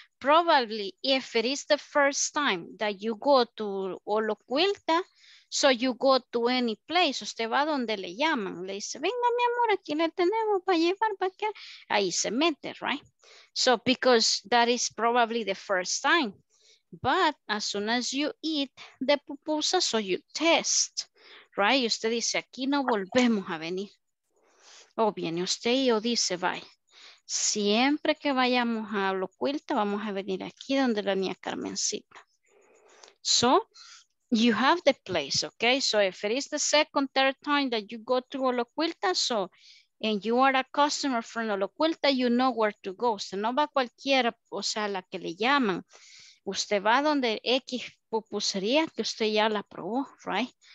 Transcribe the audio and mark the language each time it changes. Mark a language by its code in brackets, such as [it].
[en] Probably if it is the first time that you go to Oloquilta, so you go to any place, [es] usted va donde le llaman, le dice, venga mi amor, aquí le tenemos para llevar, para que, ahí se mete, right? [en] So because that is probably the first time, but as soon as you eat the pupusa, so you test, right? [es] Y usted dice, aquí no volvemos a venir. O viene usted y o dice, bye. Siempre que vayamos a Oloquilta, vamos a venir aquí donde la niña Carmencita. [en] So, you have the place, okay? So, if it is the second, third time that you go to Oloquilta, so, and you are a customer from Oloquilta, you know where to go. [es] Usted no va a cualquiera, o sea, la que le llaman. Usted va donde X pupusería que usted ya la probó, right?